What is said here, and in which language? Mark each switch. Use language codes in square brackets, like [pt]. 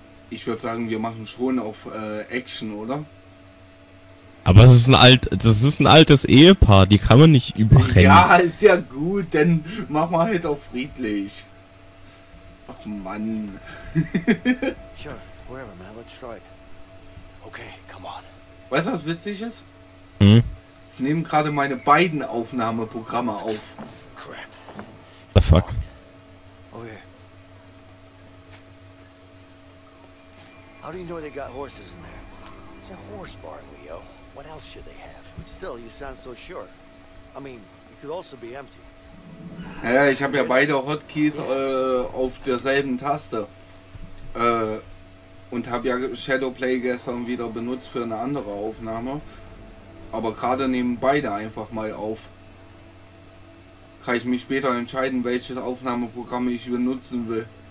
[de] Ich würde sagen, wir machen schon auf Action, oder? Aber es ist ein altes Ehepaar, die kann man nicht überrennen. Ja, ist ja gut, dann machen wir halt auch friedlich. Ach Mann. [en] Sure, wherever, man, let's try. Okay, come on. [de] Weißt du, was witzig ist? Hm? Es nehmen gerade meine beiden Aufnahmeprogramme auf. [en] Crap. The fuck? Okay. How do you know they got horses in there? It's a horse barn, Leo. What else should they have? But still, you sound so sure. I mean, it could also be empty. [de] Naja, ich habe ja beide Hotkeys auf derselben Taste. Und habe ja Shadowplay gestern wieder benutzt für eine andere Aufnahme. Aber gerade nehmen beide einfach mal auf. Kann ich mich später entscheiden, welches Aufnahmeprogramm ich benutzen will.